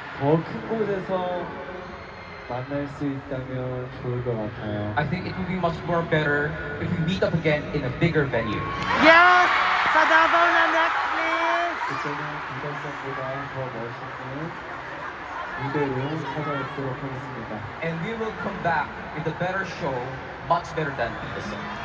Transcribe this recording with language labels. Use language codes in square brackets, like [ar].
[ko] 더 큰 곳에서 만날 수 있다면 좋을 것 같아요. [en] I think it would be much more better if we meet up again in a bigger venue. Yes! 사다보나 next, please! [ko] 그때는 공간성보다 더 멋있는 무대를 찾아뵙도록 하겠습니다. [en] And we will come back with a better show, much better than this song.